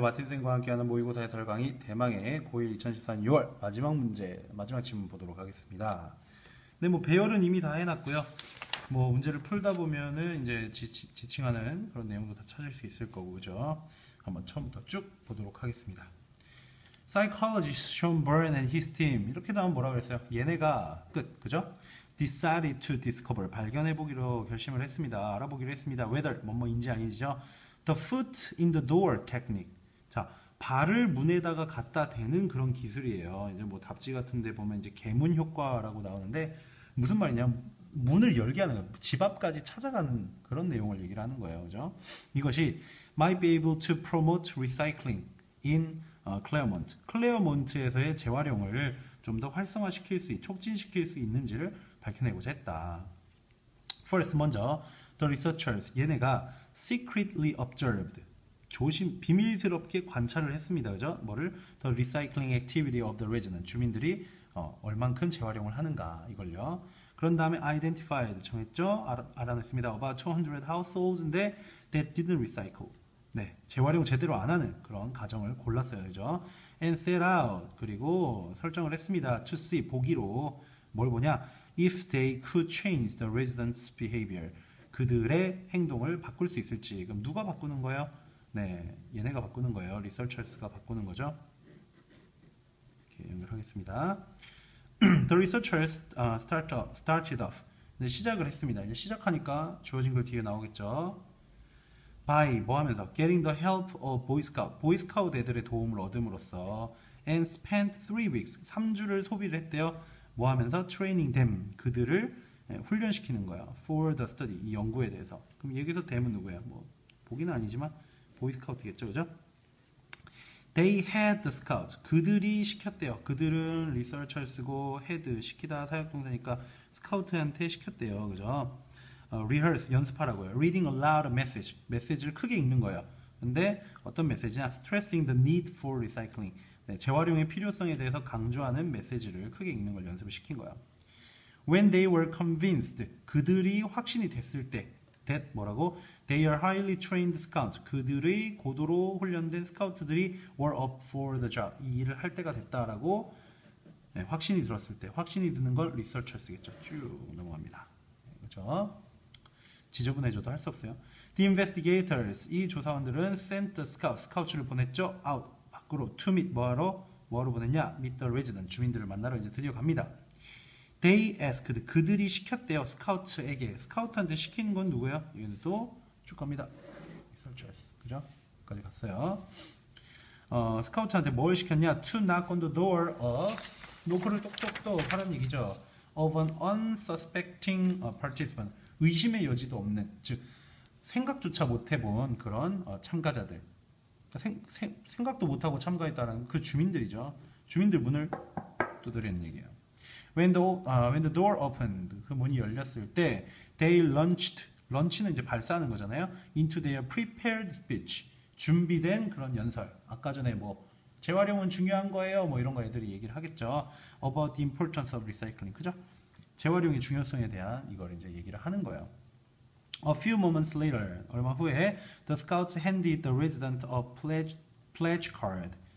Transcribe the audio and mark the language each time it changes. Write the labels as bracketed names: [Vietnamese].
[Korean] 마티생과 함께하는 모의고사 해설 강의 대망의 고1 2014년 6월 마지막 문제, 마지막 질문 보도록 하겠습니다. 네, 뭐 배열은 이미 다 해놨고요. 뭐 문제를 풀다 보면은 이제 지칭하는 그런 내용도 다 찾을 수 있을 거고, 그죠? 한번 처음부터 쭉 보도록 하겠습니다. [English] Psychologist Sean Byrne and his team, [Korean] 이렇게 나오면 뭐라 그랬어요? 얘네가 끝, 그죠? [English] Decided to discover, [Korean] 발견해보기로 결심을 했습니다. 알아보기로 했습니다. Whether, 뭐뭐인지 아니죠? [English] The foot in the door technique. [Korean] 자, 발을 문에다가 갖다 대는 그런 기술이에요. 이제 뭐 답지 같은 데 보면 이제 개문 효과라고 나오는데 무슨 말이냐? 문을 열게 하는 거예요. 집 앞까지 찾아가는 그런 내용을 얘기를 하는 거예요. 그죠? 이것이 [English] might be able to promote recycling in Claremont. [Korean] Claremont에서의 재활용을 좀더 활성화시킬 수, 촉진시킬 수 있는지를 밝혀내고자 했다. [English] First, [Korean] 먼저 [English] the researchers, [Korean] 얘네가 [English] secretly observed, [Korean] 조심 비밀스럽게 관찰을 했습니다. 그죠? 뭐를? [English] The recycling activity of the resident, [Korean] 주민들이 얼만큼 재활용을 하는가 이걸요. 그런 다음에 identified 정했죠? 알아냈습니다. [English] About 200 households인데 that didn't recycle. [Korean] 네, 재활용 제대로 안 하는 그런 가정을 골랐어요. 그죠? [English] And set out, [Korean] 그리고 설정을 했습니다. [English] To see, [Korean] 보기로 뭘 보냐? [English] If they could change the residents' behavior, [Korean] 그들의 행동을 바꿀 수 있을지. 그럼 누가 바꾸는 거예요? 네, 얘네가 바꾸는 거예요. 리서처스가 바꾸는 거죠. 이렇게 연결하겠습니다. [English] The researchers started off. [Korean] 네, 시작을 했습니다. 이제 시작하니까 주어진 글 뒤에 나오겠죠. By 뭐 하면서? [English] Getting the help of Boy Scout. Boy Scout [Korean] 애들의 도움을 얻음으로써 [English] and spent 3 weeks. [Korean] 3주를 소비를 했대요. 뭐 하면서? [English] Training them. [Korean] 그들을 훈련시키는 거야. [English] For the study, [Korean] 이 연구에 대해서. 그럼 여기서 them은 누구야? 뭐 보기는 아니지만 보이스카우트겠죠, 그죠? [English] They had the scouts. [Korean] 그들이 시켰대요. 그들은 researchers고 had 시키다 사역동사니까 스카우트한테 시켰대요, 그죠? Rehearse 연습하라고요. [English] Reading aloud a message. [Korean] 메시지를 크게 읽는 거야. 근데 어떤 메시지냐? [English] Stressing the need for recycling. [Korean] 네, 재활용의 필요성에 대해서 강조하는 메시지를 크게 읽는 걸 연습을 시킨 거야. [English] When they were convinced, [Korean] 그들이 확신이 됐을 때, [English] that [Korean] 뭐라고? [English] They are highly trained scouts. [Korean] 그들의 고도로 훈련된 스카우트들이 [English] were up for the job. [Korean] 이 일을 할 때가 됐다라고, 네, 확신이 들었을 때, 확신이 드는 걸 researchers겠죠. 쭉 넘어갑니다. 그렇죠? 지저분해져도 할수 없어요. [English] The investigators, [Korean] 이 조사원들은 [English] sent the scouts, [Korean] 스카우트를 보냈죠. [English] Out, [Korean] 밖으로, [English] to meet, [Korean] 뭐하러? 뭐하러 보냈냐? [English] Meet the resident, [Korean] 주민들을 만나러 이제 드디어 갑니다. [English] They asked, [Korean] 그들이 시켰대요. 스카우트에게. 스카우트한테 시키는 건 누구야? 얘는 또쭉 갑니다. Researchers. 그죠? 여기까지 갔어요. 스카우트한테 뭘 시켰냐? [English] To knock on the door of, [Korean] 노크를 똑똑똑 하라는 얘기죠. [English] Of an unsuspecting participant. [Korean] 의심의 여지도 없는, 즉 생각조차 못해본 그런 참가자들. 생각도 못하고 참가했다는 그 주민들이죠. 주민들 문을 두드리는 얘기예요. [English] When the door opened, [Korean] 그 문이 열렸을 때, [English] they launched, [Korean] launch는 이제 발사하는 거잖아요. [English] Into their prepared speech, [Korean] 준비된 그런 연설. 아까 전에 뭐 재활용은 중요한 거예요, 뭐 이런 거 애들이 얘기를 하겠죠. [English] About the importance of recycling, [Korean] 그죠? 재활용의 중요성에 대한 이걸 이제 얘기를 하는 거예요. [English] A few moments later, [Korean] 얼마 후에, [English] the scouts handed the resident a pledge card.